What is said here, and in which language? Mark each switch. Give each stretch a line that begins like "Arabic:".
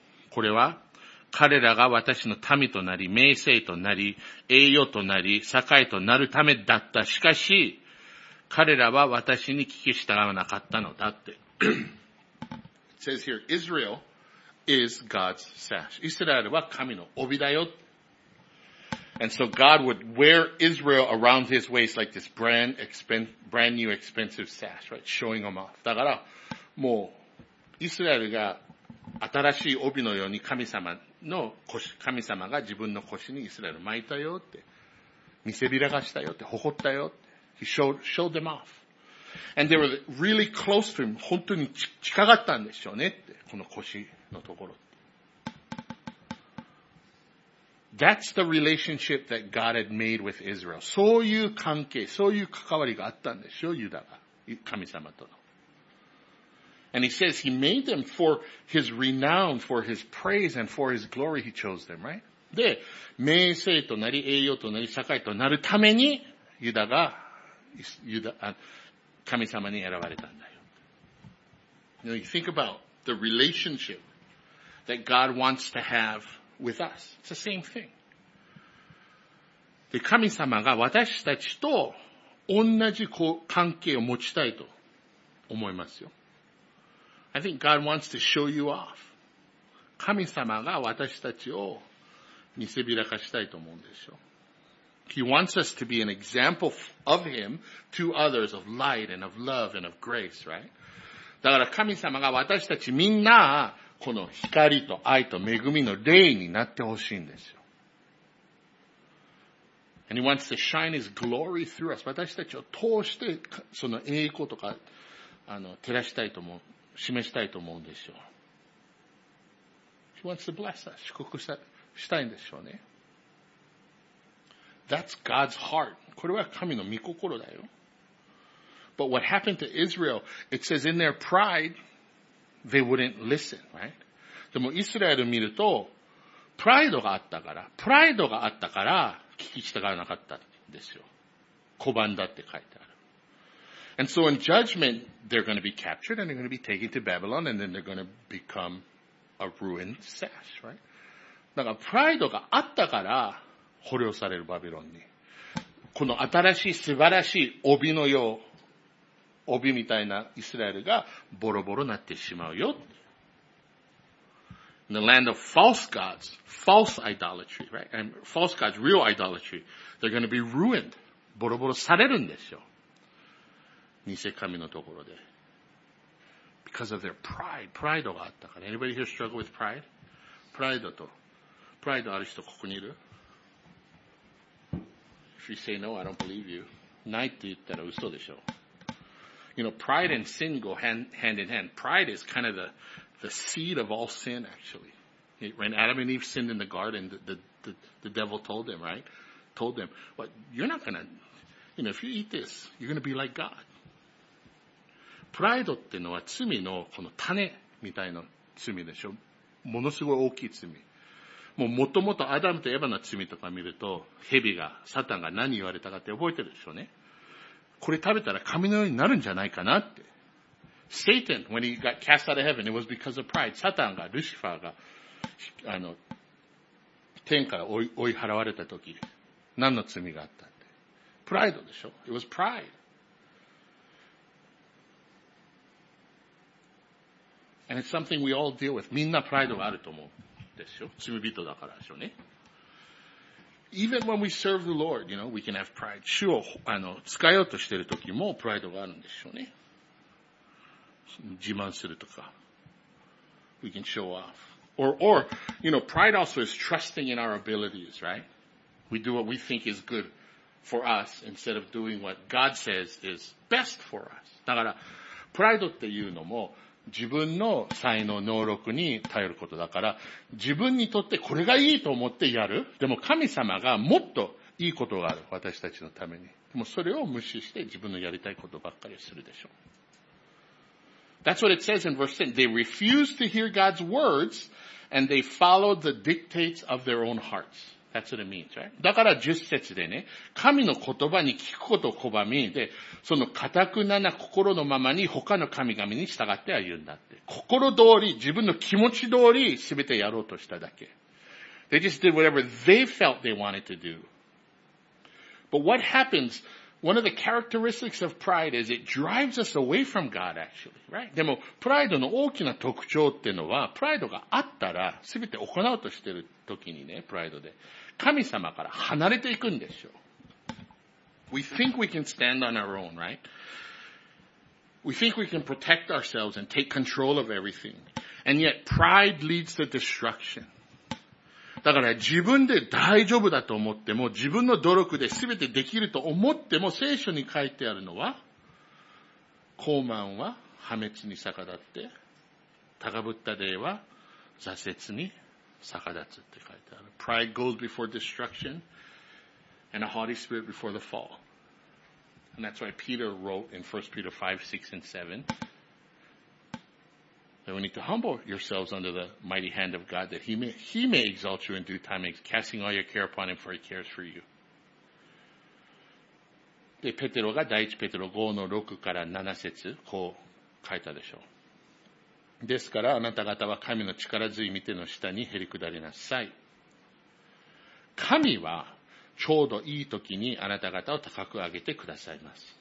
Japanese: これは彼らが私の民となり、名声となり、栄誉となり、栄えとなるためだった。しかし、彼らは私に聞き従わなかったのだって。
English: It says here, Israel is God's sash.
Japanese: イスラエルは神の帯だよ。
English: And so God would wear Israel around his waist like this brand new expensive sash, right? Showing them off.
Japanese: だから、もう、イスラエルが新しい帯のように神様が自分の腰にイスラエル巻いたよって、見せびらがしたよって、誇ったよって。
English: He showed them off. And they were really close to him.
Japanese: 本当に近かったんでしょうねって、この腰のところ。
English: That's the relationship that God had made with Israel.
Japanese: そういう関係、そういう関わりがあったんでしょう、ユダが。神様との。
English: And he says he made them for his renown, for his praise, and for his glory he chose them, right?
Japanese: で、名声となり、栄誉となり、栄えとなるために、ユダが、神様に選ばれたんだよ。
English: Now you think about the relationship that God wants to have with us. It's the same thing.
Japanese: で、神様が私たちと同じ関係を持ちたいと思いますよ。
English: I think God wants to show you off.
Japanese: 神様が私たちを見せびらかしたいと思うんですよ。
English: He wants us to be an example of him to others of light and of love and of grace, right?
Japanese: だから神様が私たちみんなこの光と愛と恵みの霊になってほしいんですよ。
English: And he wants to shine his glory through us.
Japanese: 私たちを通してその栄光とか照らしたいと思う、示したいと思うんですよ。
English: He wants to bless us,
Japanese: 祝福したいんでしょうね。
English: That's God's heart.
Japanese: これは神の御心だよ。
English: But what happened to Israel, it says in their pride, they wouldn't listen, right?
Japanese: でもイスラエル見ると、プライドがあったから、プライドがあったから、聞き従わなかったんですよ。拒んだって書いてある。
English: And so in judgment, they're going to be captured and they're going to be taken to Babylon and then they're going to become a ruined sash, right?
Japanese: だからプライドがあったから、捕虜されるバビロンに。この新しい素晴らしい帯のよう、帯みたいなイスラエルがボロボロになってしまうよ。
English: In the land of false gods, false idolatry, right? And false gods, real idolatry, they're going to be ruined.
Japanese: ボロボロされるんですよ。偽神のところで。
English: Because of their pride.
Japanese: プライドがあったから。
English: Anybody here struggle with pride?
Japanese: プライドある人ここにいる?
English: If you say no, I don't believe you.
Japanese: ないって言ったら嘘でしょ。
English: You know, pride and sin go hand in hand. Pride is kind of the seed of all sin, actually. When Adam and Eve sinned in the garden, the devil told them, right? Told them, well, you're not gonna, you know, if you eat this, you're gonna be like God.
Japanese: Pride ってのは罪のこの種みたいな罪でしょ。ものすごい大きい罪。もう元々アダムとエヴァの罪とか見ると、蛇が、サタンが何言われたかって覚えてるでしょうね。これ食べたら神のようになるんじゃないかなって。
English: Satan, when he got cast out of heaven, it was because of pride.
Japanese: サタンが、ルシファーが、天から追い払われた時、何の罪があったって。プライドでしょ?
English: It was pride. And it's something we all deal with.
Japanese: みんなプライドがあると思うんですよ。罪人だからでしょうね。
English: Even when we serve the Lord, you know, we can have pride.
Japanese: 主を、使おうとしている時もプライドがあるんでしょうね。自慢するとか。
English: We can show off. Or, you know, pride also is trusting in our abilities, right? We do what we think is good for us instead of doing what God says is best for us.
Japanese: だから、プライドっていうのも自分の才能、能力に頼ることだから、自分にとってこれがいいと思ってやる。でも神様がもっといいことがある。私たちのために。でもそれを無視して自分のやりたいことばっかりするでしょう。
English: That's what it says in verse 10. They refused to hear God's words and they followed the dictates of their own hearts. That's what it means, right?
Japanese: だから10節でね、神の言葉に聞くことを拒み、で、その固くなな心のままに他の神々に従って歩んだって。心通り、自分の気持ち通り全てやろうとしただけ。
English: They just did whatever they felt they wanted to do. But what happens... One of the characteristics of pride is it drives us away from God, actually, right?
Japanese: でも、プライドの大きな特徴っていうのは、プライドがあったら、すべて行おうとしてる時にね、プライドで、神様から離れていくんでしょう。
English: We think we can stand on our own, right? We think we can protect ourselves and take control of everything. And yet, pride leads to destruction.
Japanese: だから自分で大丈夫だと思っても、自分の努力で全てできると思っても、聖書に書いてあるのは、高慢は破滅に逆立って、高ぶった霊は挫折に逆立つって書いてある。
English: Pride goes before destruction, and a haughty spirit before the fall. And that's why Peter wrote in 1 Peter 5, 6, and 7,And we need to humble yourselves under the mighty hand of God that he may exalt you in due time, casting all your care upon him for he cares for you.
Japanese: で、ペテロが第一ペテロ5の6から7節、こう書いたでしょう。ですから、あなた方は神の力強い御手の下にへり下りなさい。神は、ちょうどいい時にあなた方を高く上げてくださいます。